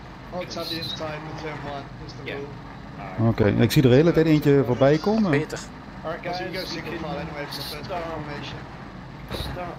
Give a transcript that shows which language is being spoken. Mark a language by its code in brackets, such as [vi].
[en] Odds at the inside, the turn one, is the rule. [nl] Oké, ik zie er de hele tijd eentje voorbij komen. Beter. [en] Alright guys, you go single file anyway for the first formation.